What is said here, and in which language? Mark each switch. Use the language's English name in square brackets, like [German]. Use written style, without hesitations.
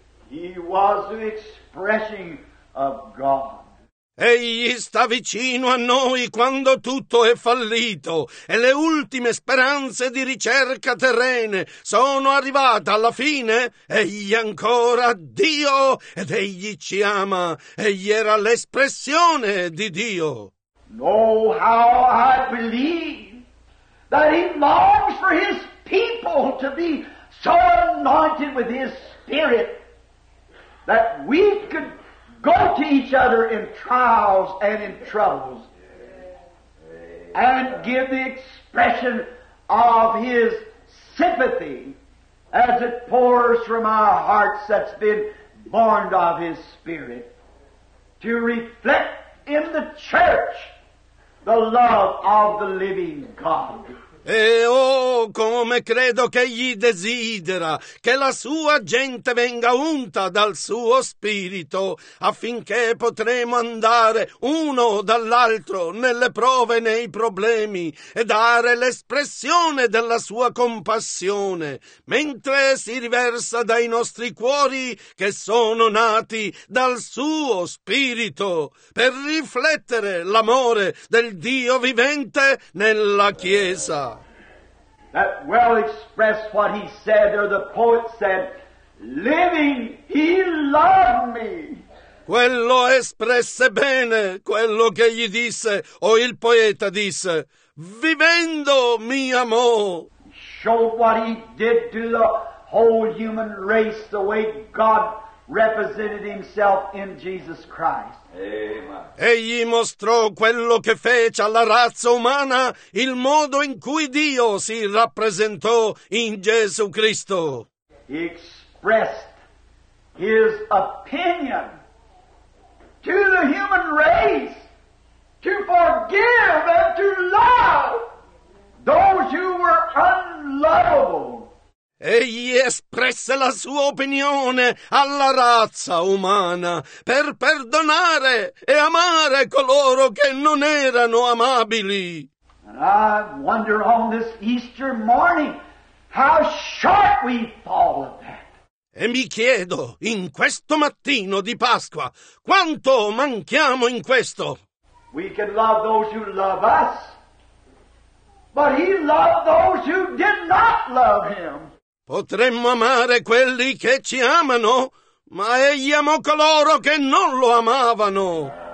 [English] He was the expression of God. [Italian] Egli sta vicino a noi quando tutto è fallito e le ultime speranze di ricerca terrene sono arrivate alla fine. Egli ancora Dio ed egli ci ama. Egli era l'espressione di Dio. [English] Know how I believe that he longs for his people to be so anointed with his spirit that we could go to each other in trials and in troubles and give the expression of his sympathy as it pours from our hearts that's been born of his spirit to reflect in the church the love of the living God. [Italian] E oh, come credo che egli desidera che la sua gente venga unta dal suo spirito, affinché potremo andare uno dall'altro nelle prove e nei problemi e dare l'espressione della sua compassione, mentre si riversa dai nostri cuori che sono nati dal suo spirito, per riflettere l'amore del Dio vivente nella Chiesa. [English] That well expressed what he said, or the poet said, living, he loved me. [Italian] Quello espresse bene quello che gli disse, o il poeta disse, vivendo mi amò. [English] Showed what he did to the whole human race, the way God represented himself in Jesus Christ. [Italian] Egli mostrò quello che fece alla razza umana, il modo in cui Dio si rappresentò in Gesù Cristo. [English] He expressed his opinion to the human race to forgive and to love those who were unlovable. [Italian] Egli espresse la sua opinione alla razza umana per perdonare e amare coloro che non erano amabili. [English] And I wonder on this Easter morning how short we fall of that. [Italian] E mi chiedo in questo mattino di Pasqua quanto manchiamo in questo. [English] We can love those who love us, but he loved those who did not love him. [Italian] Potremmo amare quelli che ci amano, ma egli amò coloro che non lo amavano.